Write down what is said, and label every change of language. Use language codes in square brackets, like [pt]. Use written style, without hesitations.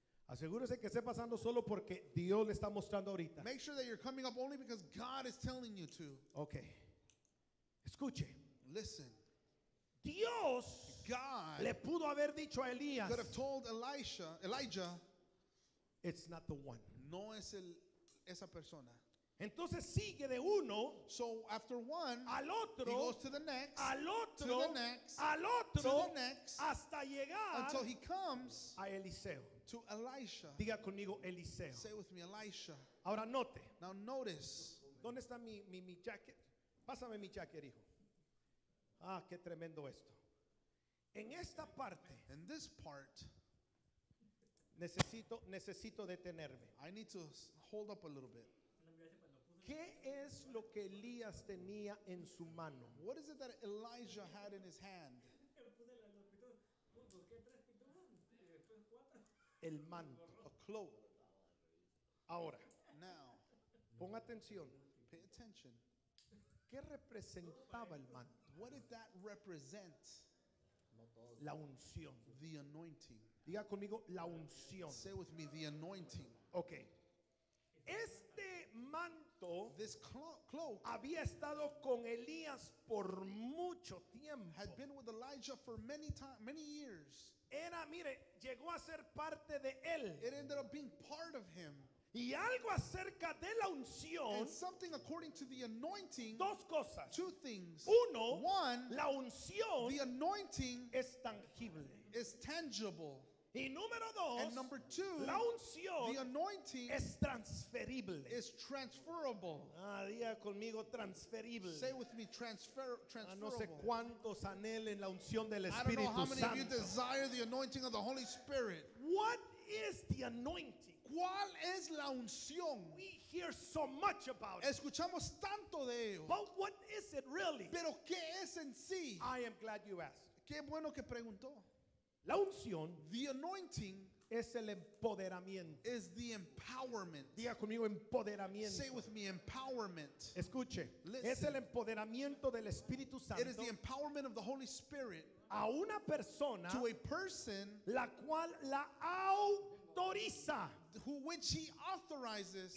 [es] Asegúrese que esté pasando solo porque Dios le está mostrando ahorita. [en] Make sure that you're coming up only because God is telling you to. [es] Okay. Escuche. [en] Listen. [es] Dios. [en] God. [es] Le pudo haber dicho a Elías. [en] Could have told Elijah. It's not the one. [es] No es esa persona. Entonces sigue de uno. [en] So after one. [es] Al otro. [en] He goes to the next. [es] Al otro. [en] To the next. [es] Al otro. [en] To the next. [es] Hasta llegar. [en] Until he comes. [es] A Eliseo. [en] To Elisha. [es] Diga conmigo Eliseo. [en] Say with me Elisha. [es] Ahora note. [en] Now notice. [es] ¿Dónde está mi jacket? Pásame mi jacket, hijo. Ah, qué tremendo esto. En esta parte. [en] In this part. [es] Necesito detenerme. [en] I need to hold up a little bit. [es] ¿Qué es lo que Elías tenía en su mano? [en] What is it that Elijah had in his hand? [es] El manto. [en] A cloak. [es] Ahora. [en] Now. [es] Pon atención. [en] Pay attention. [es] ¿Qué representaba el manto? [en] What did that represent? [es] La unción. [en] The anointing. [es] Diga conmigo la unción. [en] Say with me the anointing. [es] Okay. Este manto. [en] This cloak. [es] Había estado con Elías por mucho tiempo. [en] Had been with Elijah for many years. [es] Era, mire, llegó a ser parte de él. [en] It ended up being part of him. [es] Y algo acerca de la unción. [en] And something according to the anointing. [es] Dos cosas. [en] Two things. [es] Uno. [en] One. [es] La unción. [en] The anointing. [es] Es tangible. [en] Is tangible. [es] Y número dos. [en] And number two. [es] La unción. [en] The anointing. [es] Es transferible. [en] Is transferable. [es] Diga conmigo transferible. [en] Say with me transferable. [es] No sé cuántos anhelen la unción del Espíritu Santo. [en] I don't know how many of you desire the anointing of the Holy Spirit. What is the anointing? [es] ¿Cuál es la unción? [en] We hear so much about it. [es] Escuchamos tanto de ello. [en] But what is it really? [es] ¿Pero qué es en sí? [en] I am glad you asked. [es] Qué bueno que preguntó. La unción, [en] the anointing, [es] es el empoderamiento. [en] Is the empowerment. [es] Diga conmigo empoderamiento. [en] Say with me empowerment. [es] Escuche. [en] Listen. [es] Es el empoderamiento del Espíritu Santo. [en] It is the empowerment of the Holy Spirit. [es] A una persona, [en] to a person, [es] la cual la autoriza, [en] who which he authorizes,